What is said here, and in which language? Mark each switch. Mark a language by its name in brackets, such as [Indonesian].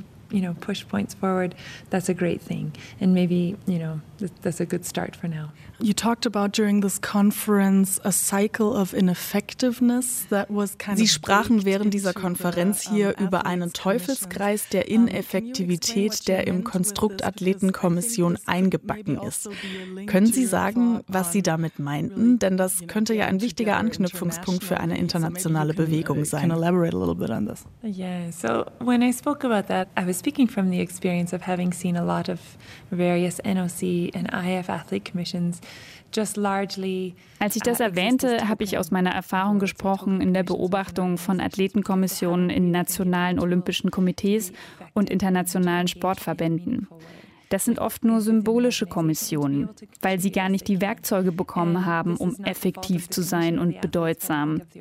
[English] You know, push points forward, that's a great thing. And maybe, you know, that's a good start for now. You talked about during this conference a cycle of ineffectiveness that was kind of. [German] Sie sprachen während dieser Konferenz hier über einen Teufelskreis der Ineffektivität, der im Konstrukt Athletenkommission eingebacken ist. Können Sie sagen, was Sie damit meinten? Denn das könnte ja ein wichtiger Anknüpfungspunkt für eine internationale Bewegung sein. [English] Elaborate a little bit on this. Yeah, so when I spoke about that, I was speaking from the experience of having seen a lot of various NOC and IF athlete commissions. [German] Als ich das erwähnte, habe ich aus meiner Erfahrung gesprochen in der Beobachtung von Athletenkommissionen in nationalen olympischen Komitees und internationalen Sportverbänden. Das sind oft nur symbolische Kommissionen, weil sie gar nicht die Werkzeuge bekommen haben, um effektiv zu sein und bedeutsam.